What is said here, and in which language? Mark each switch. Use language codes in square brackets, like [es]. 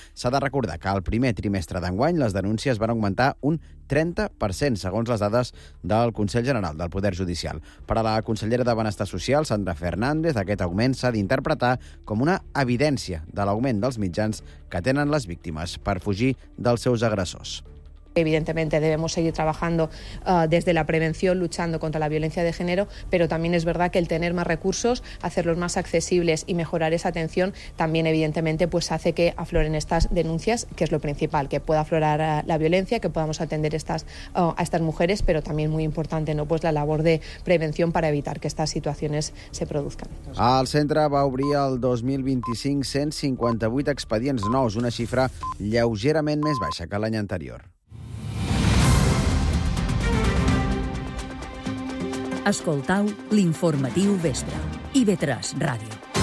[ca] S'ha de recordar que al primer trimestre d'enguany les denúncies van augmentar un 30%, segons les dades del Consell General del Poder Judicial. Per a la consellera de Benestar Social, Sandra Fernández, aquest augment s'ha d'interpretar com una evidència de l'augment dels mitjans que tenen les víctimes per fugir dels seus agressors. [es] Evidentemente debemos seguir trabajando desde la prevención, luchando contra la violencia de género, pero también es verdad que el tener más recursos, hacerlos más accesibles y mejorar esa atención, también evidentemente pues hace que afloren estas denuncias, que es lo principal, que pueda aflorar la violencia, que podamos atender a estas mujeres, pero también muy importante, ¿no?, pues la labor de prevención para evitar que estas situaciones se produzcan. [ca] El centre va obrir el 2025 158 expedients nous, una xifra lleugerament més baixa que l'any anterior. Escoltau l'informatiu vespre. IB3 Ràdio.